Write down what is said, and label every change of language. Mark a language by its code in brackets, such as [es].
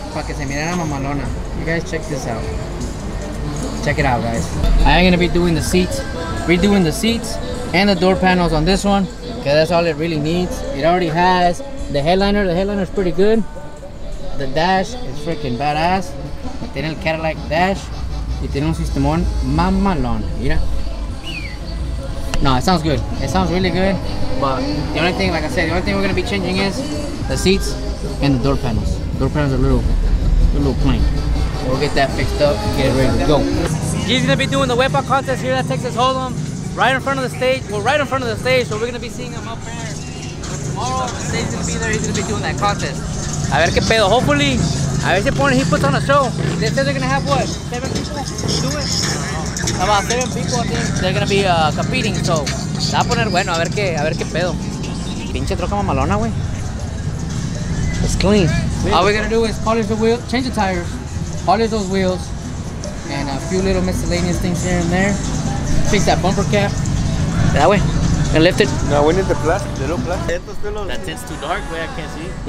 [es] Para que se miren a mamalona. [en] You guys check this out. Check it out, guys. I am going to be doing the seats. Redoing the seats. And the door panels on this one, because that's all it really needs. It already has the headliner is pretty good. The dash is freaking badass. [es] Tiene el Cadillac dash y tiene un sistemón mamalón. Mira. [en] No, it sounds good. It sounds really good. But the only thing, like I said, the only thing we're going to be changing is the seats and the door panels. The door panels are a little plain. We'll get that fixed up and get it ready to go. He's going to be doing the Wepa contest here at Texas Hold'em. Right in front of the stage, so we're gonna be seeing him up there. Tomorrow, the stage's gonna be there, he's gonna be doing that contest. [es] A ver qué pedo, [en] hopefully, [es] a ver si pone, [en] he puts on a show. They said they're gonna have what? 7 people? Do it? About 7 people, I think. They're gonna be competing, so. [es] Va a poner bueno, a ver qué pedo. Pinche troca mamalona, güey. [en] It's clean. All we're gonna do is polish the wheels, change the tires, polish those wheels, and a few little miscellaneous things here and there. Fix that bumper cap. That way. And lift it. No, we need the plastic. The little plastic. That tint's too dark, way I can't see.